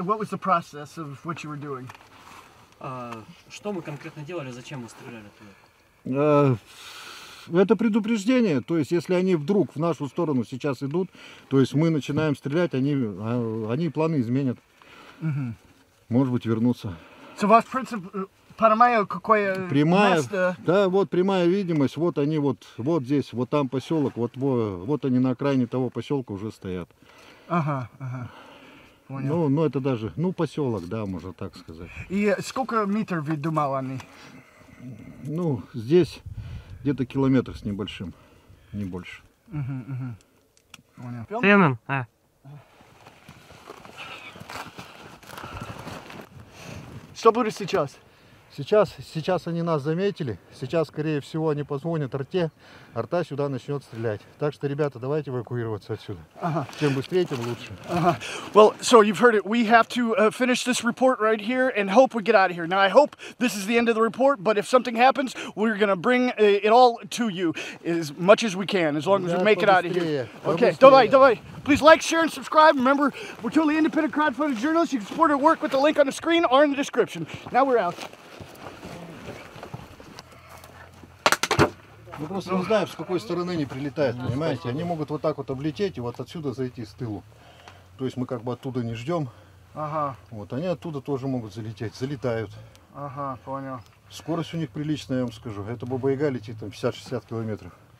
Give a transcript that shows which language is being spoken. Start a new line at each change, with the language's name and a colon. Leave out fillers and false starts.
English: What was the process of what you were doing?
Russian: Что мы конкретно делали? Зачем мы стреляли туда? Это предупреждение. То есть, если они вдруг в нашу сторону сейчас идут, то есть мы начинаем стрелять, они планы изменят. Угу. Может быть, вернутся. So, ваш принцип... Понимаю, какое прямая, место. Да, вот прямая видимость. Вот они вот здесь, вот там поселок. Вот они на окраине того поселка уже стоят. Ага, ага. Понял. Ну это даже, поселок, да, можно так сказать. И сколько метров вы думали они? Ну, здесь где-то километр с небольшим, не больше. Угу, угу. Понял. Что будет сейчас? Сейчас они нас заметили, сейчас, скорее всего, они позвонят арте, арта сюда начнет стрелять. Так что, ребята, давайте эвакуироваться отсюда. Ага. Чем быстрее, тем лучше.
English: Ага. Well, so you've heard it. We have to finish this report right here and hope we get out of here. Now, I hope this is the end of the report, but if something happens, we're going to bring it all to you as much as we can, as long as we make it out of here. Okay, давай. Please like, share, and subscribe. Remember, we're totally independent crowdfunded journalists. You can support our work with the link on the screen or in the description. Now we're out.
Russian: Мы просто не знаем, с какой стороны они прилетают, понимаете? Они могут вот так вот облететь и вот отсюда зайти с тылу. То есть мы как бы оттуда не ждем. Ага. Вот, они оттуда тоже могут залететь. Залетают. Ага, понял. Скорость у них приличная, я вам скажу. Это баба-яга летит там 50-60 километров.